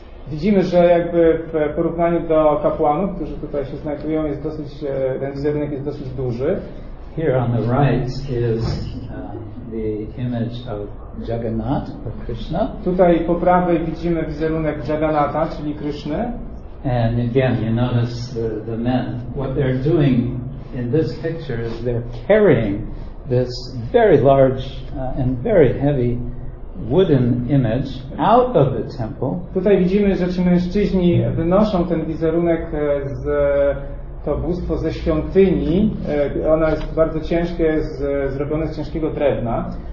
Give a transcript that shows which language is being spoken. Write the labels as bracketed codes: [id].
[pl] Widzimy, że jakby w porównaniu do kapłanów, którzy tutaj się znajdują, jest dosyć, ten wizerunek jest dosyć duży. [en] Here on the right is the image of Jagannath, of Krishna. [pl] Tutaj po prawej widzimy wizerunek Jagannatha, czyli Kryszny. [en] And again, you notice the men. What they're doing in this picture is they're carrying this very large and very heavy wooden image out of the temple. [pl] Tutaj widzimy, że ci mężczyźni wynoszą ten wizerunek z to bóstwo ze świątyni. Ona jest bardzo ciężkie, zrobione z ciężkiego drewna.